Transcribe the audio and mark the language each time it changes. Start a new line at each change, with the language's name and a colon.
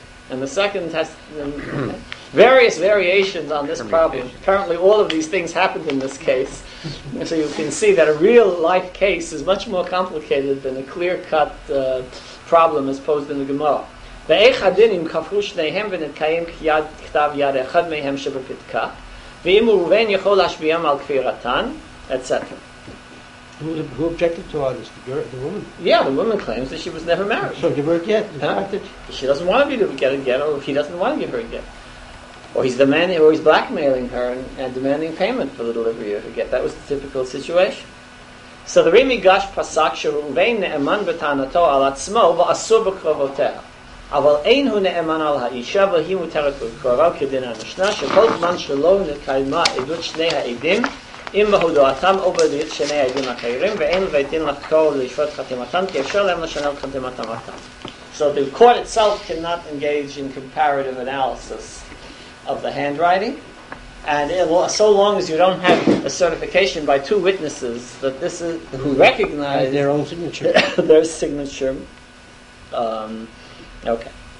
English: And the second has various variations on this problem. Apparently all of these things happened in this case. And so you can see that a real life case is much more complicated than a clear-cut problem as posed in the Gemara.
Hebrew: ואיך הדין אם כפרו שניהם ונתקיים כיד כתב יד אחד מהם שבפתקה, ואם ראובן יכול להשביעם על כפירתן, etc.
English: Who objected to all this? The woman? Yeah, the woman claims that she was never married. So give her a get. Huh? She doesn't want to get a get, or he doesn't want to give her a get. Or he's demanding, or he's blackmailing her and demanding payment for the delivery of her get. That was the typical situation.
Hebrew: So the Rimi Gash Pasak שראובן נאמן בטענתו על עצמו ואסור בקרובותיה. אבל אין הוא נאמן על האישה, והיא מותרת בקרוביו כדין המשנה, שכל זמן שלא נקיימה עדות שני העדים, אם בהודעתם או בעדות שני העדים אחרים, ואין לבית דין לחקור ולשפוט חתימתם, כי אפשר להם לשנות חתימתם אותם.
English: So the court itself cannot engage in comparative analysis of the handwriting, and so long as you don't have a certification by two witnesses that this is, who recognize their own signature, their signature, okay.